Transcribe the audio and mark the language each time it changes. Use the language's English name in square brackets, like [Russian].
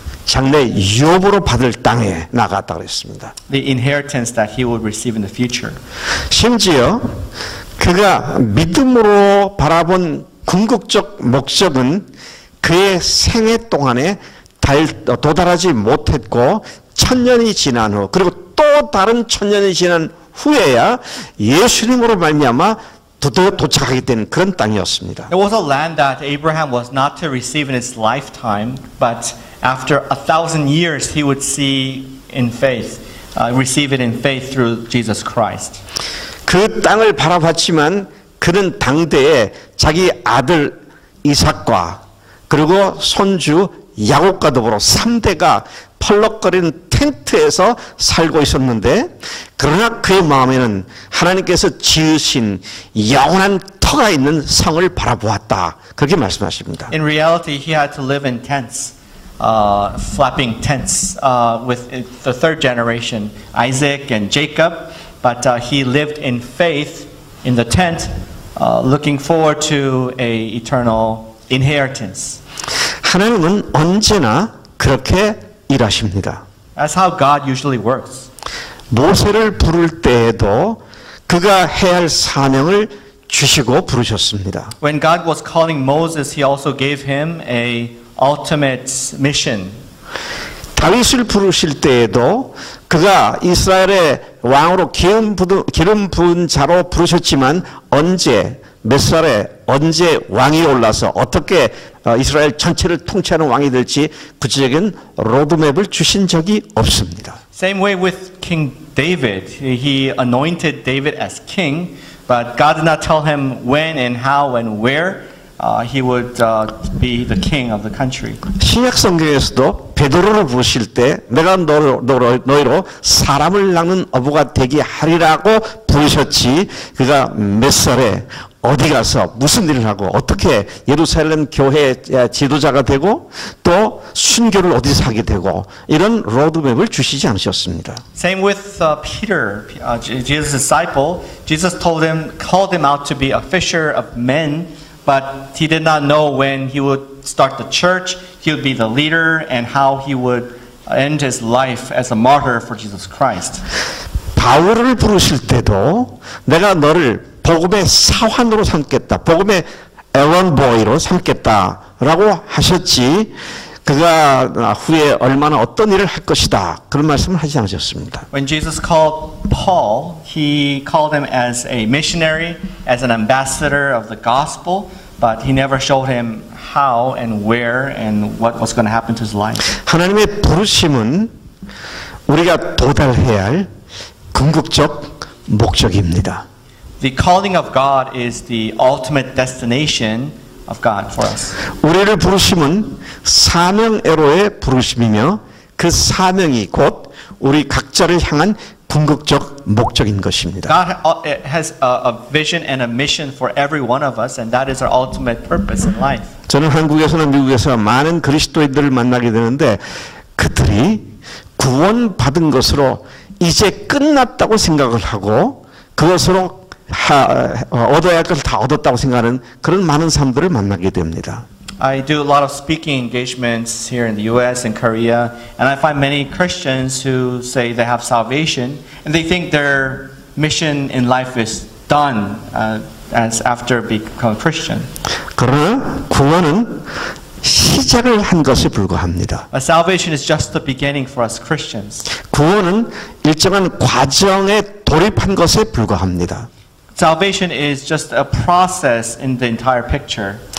[Korean] 장래 유업으로 받을 땅에 나갔다 그랬습니다. [English] The inheritance that he would receive in the future. [Korean] 심지어 그가 믿음으로 바라본 궁극적 목적은 그의 생애 동안에 도달하지 못했고 천년이 지난 후 그리고 또 다른 천년이 지난 후에야 예수님으로 말미암아 도착하게 된 그런 땅이었습니다. [English] It was a land that Abraham was not to receive in his lifetime, but after 1,000 years, he would see in faith, receive it in faith through Jesus Christ. [Korean] 그 땅을 바라봤지만 그는 당대에 자기 아들 이삭과 그리고 손주 야곱과 더불어 3대가 펄럭거리는 텐트에서 살고 있었는데 그러나 그의 마음에는 하나님께서 지으신 영원한 터가 있는 성을 바라보았다. 그렇게 말씀하십니다. [English] In reality, he had to live in tents. Flapping tents with the third generation, Isaac and Jacob, but he lived in faith in the tent, looking forward to an eternal inheritance. [Korean] 하나님은 언제나 그렇게 일하십니다. [English] That's how God usually works. [Korean] 모세를 부를 때에도 그가 해야 할 사명을 주시고 부르셨습니다. [English] When God was calling Moses, he also gave him a ultimate mission. [Korean] 다윗을 부르실 때에도 그가 이스라엘의 왕으로 기름 부은 자로 부르셨지만 언제 몇 살에 언제 왕이 올라서 어떻게 이스라엘 전체를 통치하는 왕이 될지 구체적인 로드맵을 주신 적이 없습니다. [English] Same way with King David. He anointed David as king, but God did not tell him when and how and where. He would be the king of the country. [Korean] 신약 성경에서도 베드로를 부르실 때 내가 너희로 사람을 낳는 어부가 되게 하리라고 부르셨지 그가 몇 살에 어디 가서 무슨 일을 하고 어떻게 예루살렘 교회의 지도자가 되고 또 순교를 어디서 하게 되고 이런 로드맵을 주시지 않으셨습니다. [English] Same with Peter, Jesus' disciple. Jesus told him, called him out to be a fisher of men. But he did not know when he would start the church, he would be the leader, and how he would end his life as a martyr for Jesus Christ. [Korean] 바울을 부르실 때도 내가 너를 복음의 사환으로 삼겠다, 복음의 에런보이로 삼겠다라고 하셨지 그가 후에 얼마나 어떤 일을 할 것이다 그런 말씀을 하지 않으셨습니다. [English] When Jesus called Paul, he called him as a missionary, as an ambassador of the gospel, but he never showed him how and where and what was going to happen to his life. [Korean] 하나님의 부르심은 우리가 도달해야 할 궁극적 목적입니다. [English] The calling of God is the ultimate destination. Of God for us. [Korean] 우리를 부르심은 사명 에로의 부르심이며 그 사명이 곧 우리 각자를 향한 궁극적 목적인 것입니다. [English] God has a vision and a mission for every one of us, and that is our ultimate purpose in life. [Korean] 저는 한국에서나 미국에서 많은 그리스도인들을 만나게 되는데 그들이 구원 받은 것으로 이제 끝났다고 생각을 하고 그것으로 얻어야 할 것을 다 얻었다고 생각하는 그런 많은 사람들을 만나게 됩니다. [English] I do a lot of speaking engagements here in the US and Korea, and I find many Christians who say they have salvation and they think their mission in life is done as after become a Christian. [Korean] 그러나 구원은 시작을 한 것에 불과합니다. [English] But salvation is just the beginning for us Christians. [Korean] 구원은 일정한 과정에 돌입한 것에 불과합니다. [English] Salvation is just a process in the entire picture.